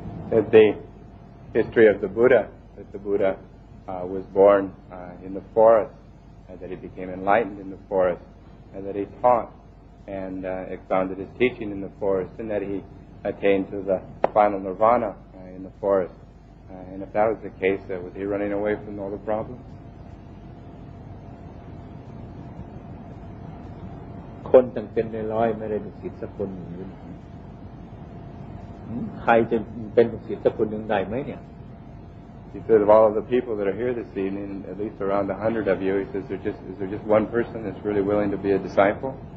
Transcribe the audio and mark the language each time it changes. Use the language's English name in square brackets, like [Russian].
[English] That the history of the Buddha, that the Buddha was born in the forest, and that he became enlightened in the forest, and that he taught and expounded his teaching in the forest, and that he attained to the final nirvana in the forest. And if that was the case, was he running away from all the problems? [Thai] คนตั้งเป็นในร้อยไม่ได้ลูกศิษย์สักคนหนึ่งใครจะเป็นลูกศิษย์สักคนหนึ่งได้ไหมเนี่ย [English] He said of all of the people that are here this evening, at least around 100 of you, he says is there just one person that's really willing to be a disciple?